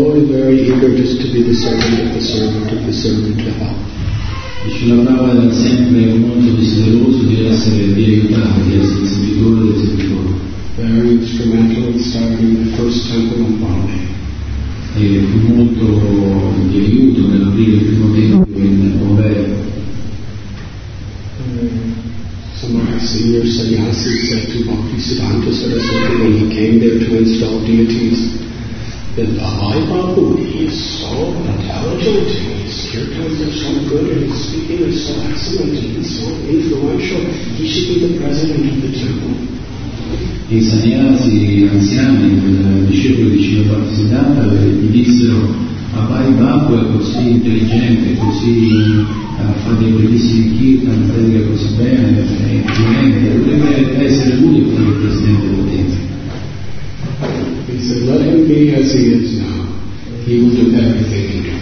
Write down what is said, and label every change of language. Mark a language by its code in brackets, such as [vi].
[en] Very eager just to be the servant of the servant of the servant of God. [it] Srila Prabhupada era sempre molto desideroso di essere, di aiutare, di essere il servitore del servitore. [en] Very instrumental in starting the first temple in Bombay. [it] E fu molto di aiuto nell'aprire il primo tempio in Bombay. [en] Some of the senior sannyasis said to Bhaktisiddhanta Saraswati when he came there to install deities, that Bhai Prabhu, he is so intelligent, his kirtans are so good, and his speaking is so excellent, and he's so influential, he should be the president of the temple. [it] I sannyasi anziani, discepoli di Srila Bhaktisiddhanta, gli dissero: ma Bhai Bhaku è così intelligente, così fa dei bellissimi kirtan, predica così bene, è intelligente, dovrebbe essere lui il presidente del tempio. [en] He said, let him be as he is now, he will do everything in due